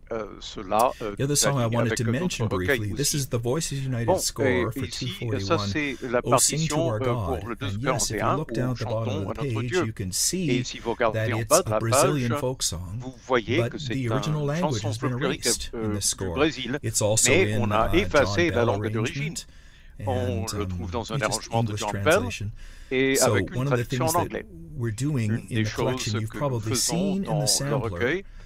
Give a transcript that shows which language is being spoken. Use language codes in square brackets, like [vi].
[en] The other song I wanted to mention briefly, this is the Voices United score for 241, O Sing to Our God. And yes, if you look down at the bottom of the page, you can see that it's a Brazilian folk song, but the original language has been erased in the score. It's also in John Bell arrangement. And, [fr] on le trouve dans un arrangement de John Bell et so avec une traduction en anglais. [en] We're doing in the collection you've probably seen in the sampler.